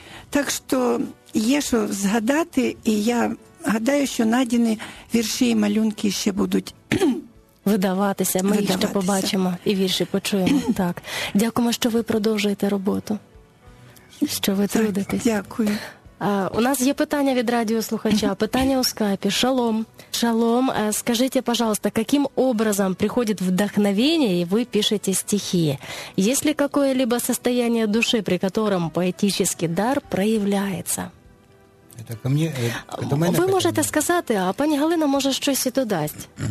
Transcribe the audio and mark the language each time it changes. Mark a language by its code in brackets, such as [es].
[uk] Так що є що згадати, і я гадаю, що Надіні вірші і малюнки ще будуть видаватися. Ми їх ще побачимо і вірші почуємо. Так. Дякуємо, що ви продовжуєте роботу, що ви трудитесь. Дякую. У нас є питання від радіослухача, питання у скайпі. Шалом. [ru] Шалом, скажите, пожалуйста, каким образом приходит вдохновение, и вы пишете стихи? Есть ли какое-либо состояние души, при котором поэтический дар проявляется? Это ко мне, [uk] до мене. Ви можете сказати, а пані Галина може щось і додасть.